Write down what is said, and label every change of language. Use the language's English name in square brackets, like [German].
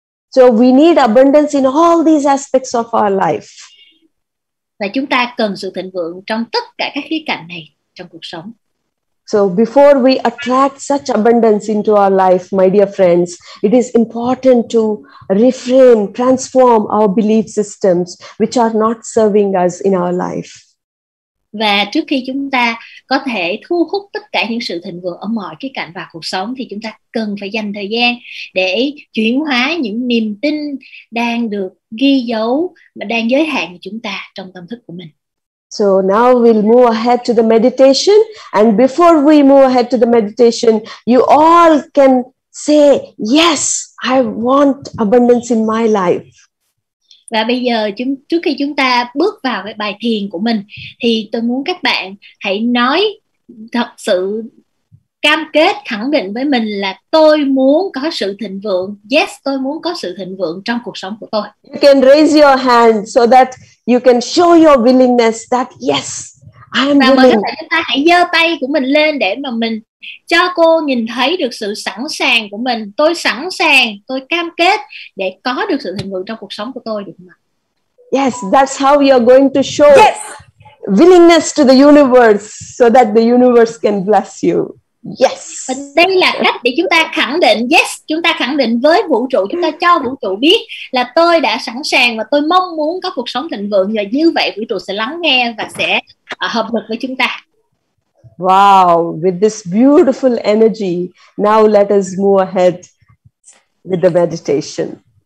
[English] So we need abundance in all these aspects of our life. [Vietnamese] Và chúng ta cần sự thịnh vượng trong tất cả các khía cạnh này trong cuộc sống. [English] So before we attract such abundance into our life, my dear friends, it is important to reframe, transform our belief systems which are not serving us in our life. [Vietnamese] Và trước khi chúng ta có thể thu hút tất cả những sự thịnh vượng ở mọi khía cạnh và cuộc sống thì chúng ta cần phải dành thời gian để chuyển hóa những niềm tin đang được ghi dấu mà đang giới hạn chúng ta trong tâm thức của mình. [English] So now we'll move ahead to the meditation. And before we move ahead to the meditation, you all can say, yes, I want abundance in my life. [Vietnamese] Và bây giờ trước khi chúng ta bước vào cái bài thiền của mình, thì tôi muốn các bạn hãy nói thật sự cam kết, khẳng định với mình là tôi muốn có sự thịnh vượng. Yes, tôi muốn có sự thịnh vượng trong cuộc sống của tôi. [English] You can raise your hand so that you can show your willingness that yes, I am willing. [Vietnamese] Và chúng ta hãy giơ tay của mình lên để mà mình cho cô nhìn thấy được sự sẵn sàng của mình. Tôi sẵn sàng, tôi cam kết để có được sự thịnh vượng trong cuộc sống của tôi, được không ạ? [English] Yes, that's how you are going to show yes. willingness to the universe so that the universe can bless you. Yes. [Vietnamese] Và đây là cách để chúng ta khẳng định yes, chúng ta khẳng định với vũ trụ, chúng ta cho vũ trụ biết là tôi đã sẵn sàng và tôi mong muốn có cuộc sống thịnh vượng, và như vậy vũ trụ sẽ lắng nghe và sẽ hợp lực với chúng ta. [English] Wow, with this beautiful energy, now let us move ahead with the meditation.